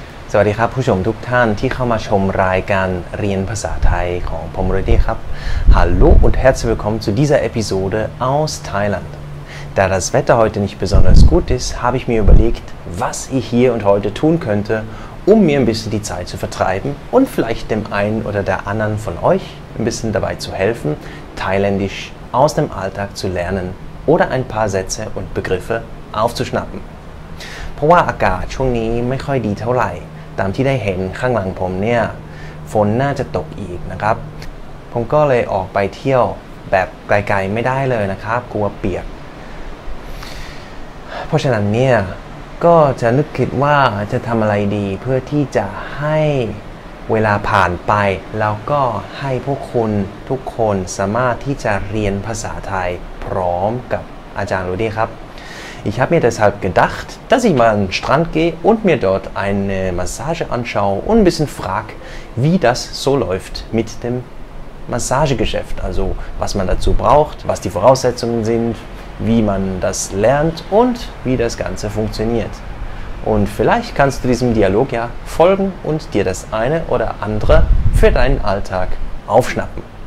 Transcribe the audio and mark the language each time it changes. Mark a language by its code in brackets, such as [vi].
[th] สวัสดีครับผู้ชมทุกท่านที่เข้ามาชมรายการเรียนภาษาไทยของผมเรดี้ครับ [de] Hallo und herzlich willkommen zu dieser Episode aus Thailand. Da das Wetter heute nicht besonders gut ist, habe ich mir überlegt, was ich hier und heute tun könnte, um mir ein bisschen die Zeit zu vertreiben und vielleicht dem einen oder der anderen von euch ein bisschen dabei zu helfen, Thailändisch aus dem Alltag zu lernen oder ein paar Sätze und Begriffe aufzuschnappen. [th] เพราะว่าอากาศช่วงนี้ไม่ค่อยดีเท่าไหร่ตามที่ได้เห็นข้างหลังผมเนี่ยฝนน่าจะตกอีกนะครับผมก็เลยออกไปเที่ยวแบบไกลๆไม่ได้เลยนะครับกลัวเปียก เพราะฉะนั้นเนี่ยก็จะนึกคิดว่าจะทำอะไรดีเพื่อที่จะให้เวลาผ่านไปแล้วก็ให้พวกคุณทุกคนสามารถที่จะเรียนภาษาไทยพร้อมกับอาจารย์รูดี้ครับ [de] Ich habe mir deshalb gedacht, dass ich mal an den Strand gehe und mir dort eine Massage anschaue und ein bisschen frage, wie das so läuft mit dem Massagegeschäft. Also was man dazu braucht, was die Voraussetzungen sind, wie man das lernt und wie das Ganze funktioniert. Und vielleicht kannst du diesem Dialog ja folgen und dir das eine oder andere für deinen Alltag aufschnappen.